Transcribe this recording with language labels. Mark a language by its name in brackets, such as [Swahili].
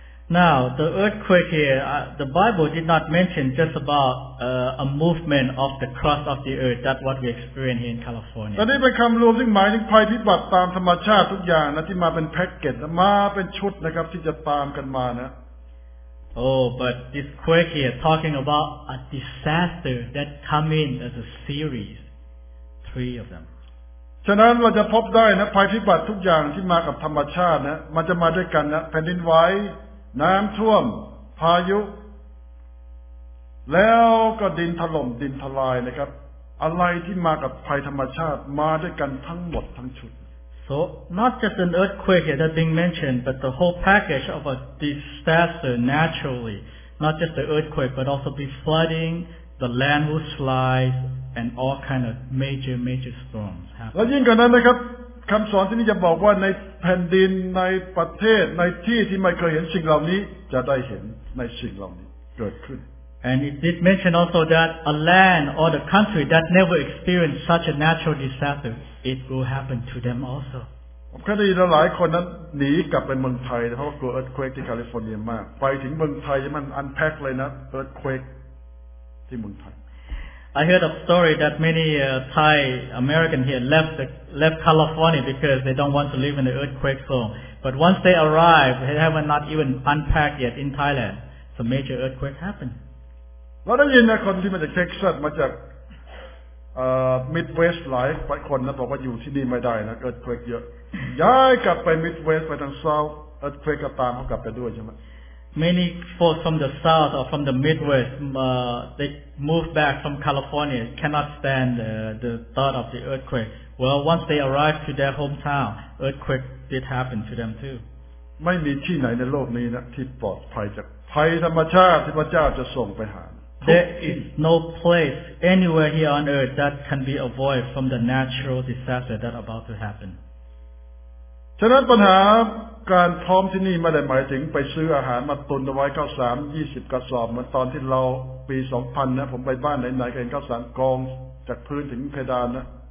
[English] Now the earthquake here the Bible did not mention just about a movement of the crust of the earth that what we experience here in California [Thai] แต่นี่เป็นคำรวมซึ่งหมายถึงภัยพิบัติตามธรรมชาติทุกอย่างนะที่มาเป็นแพ็คเกจมาเป็นชุดนะครับที่จะตามกันมานะ [English] Oh but this quake here talking about a disaster that come in as a series three of them [Thai] ฉะนั้นเราจะพบได้นะภัยพิบัติทุกอย่างที่มากับธรรมชาตินะมันจะมาด้วยกันนะแผ่นดินไหวน้ำท่วมพายุแล้วก็ดินถล่มดินทลายนะครับอะไรที่มากับภัยธรรมชาติมาด้วยกันทั้งหมดทั้งชุด [English] So not just an earthquake that's being mentioned but the whole package of a disaster naturally not just the earthquake but also the flooding the land will slideAnd all kind of major storms happen. [Thai] แล้วยิ่งกว่านั้นนะครับคำสอนที่นี่จะบอกว่าในแผ่นดินในประเทศในที่ที่ไม่เคยเห็นสิ่งเหล่านี้จะได้เห็นในสิ่งเหล่านี้เกิดขึ้น [English] And it did mention also that a land or the country that never experienced such a natural disaster, it will happen to them also. [Thai] ผมเคยได้ยินหลายคนนั้นหนีกลับไปเมืองไทยเพราะกลัว earthquake ที่แคลิฟอร์เนียมากไปถึงเมืองไทยมัน unpack เลยนะ earthquake ที่เมืองไทย [English] I heard a story that many Thai American here left California because they don't want to live in the earthquake zone. But once they arrive, they have not even unpacked yet in Thailand. So major earthquake happened. [Thai] เราได้ยินนะคนที่มาจากเท็กซัสมาจากMidwest หลายคนนะบอกว่าอยู่ที่นี่ไม่ได้นะ earthquake เยอะย้ายกลับไป Midwest ไปทาง South earthquake ก็ตามเขากลับไปด้วยใช่ไหม [English] Many folks from the south or from the Midwest, they move back from California, cannot stand the thought of the earthquake. Well, once they arrive to their hometown, earthquake did happen to them too. [Thai] ไม่มีที่ไหนในโลกนี้นะที่ปลอดภัยจากภัยธรรมชาติที่พระเจ้าจะส่งไปหา [English] There is no place anywhere here on earth that can be avoided from the natural disaster that about to happen. [Thai] ฉะนั้นปัญหาการพร้อมที่นี่ไม่ได้หมายถึงไปซื้ออาหารมาตุนเอาไว้ข้าวสาร20กระสอบเหมือนตอนที่เราปี2000นะผมไปบ้านไหนๆก็เห็นข้าวสารกองจากพื้นถึงเพดานนะ